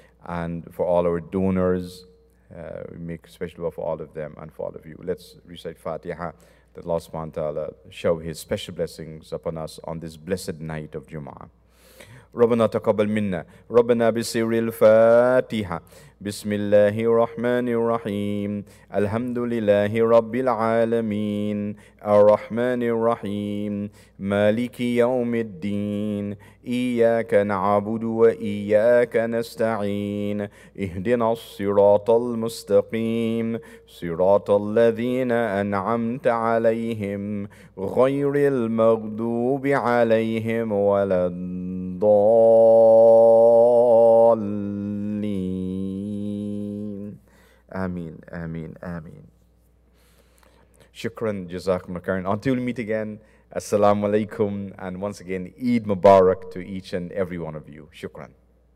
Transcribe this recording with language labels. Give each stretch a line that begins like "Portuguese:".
English: And for all our donors, we make special love for all of them and for all of you. Let's recite Fatiha, that Allah subhanahu wa ta'ala show his special blessings upon us on this blessed night of Jum'ah.
Arabic: ربنا تقبل منا ربنا بسر الفاتحة بسم الله الرحمن الرحيم الحمد لله رب العالمين الرحمن الرحيم مالك يوم الدين إياك نعبد وإياك نستعين اهدنا الصراط المستقيم صراط الذين أنعمت عليهم غير المغضوب عليهم ولا ضالين آمين آمين آمين شكراً جزاكم الله خيراً.
English: Until we meet again, Assalamu alaikum, and once again, Eid Mubarak to each and every one of you. Shukran.